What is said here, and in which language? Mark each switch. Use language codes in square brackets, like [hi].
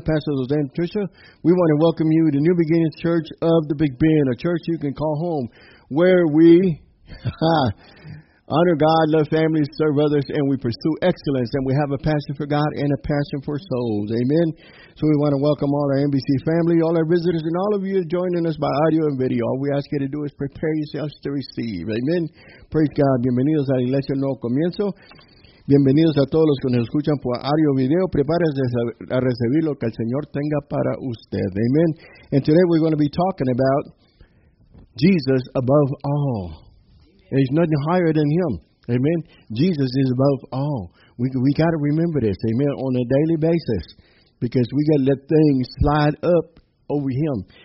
[en] Pastor Jose and Patricia, we want to welcome you to New Beginnings Church of the Big Bend, a church you can call home, where we honor God, love family, serve others, and we pursue excellence, and we have a passion for God and a passion for souls. Amen. So we want to welcome all our NBC family, all our visitors, and all of you joining us by audio and video. All we ask you to do is prepare yourselves to receive. Amen. Praise God. [es] Bienvenidos a la Iglesia Nuevo Comienzo. Bienvenidos a todos los que nos escuchan por audio video. Prepárense a recibir lo que el Señor tenga para usted. [en] Amen. And today we're going to be talking about Jesus above all. There's nothing higher than Him. Amen. Jesus is above all. We got to remember this. Amen. On a daily basis. Because we got to let things slide up over Him.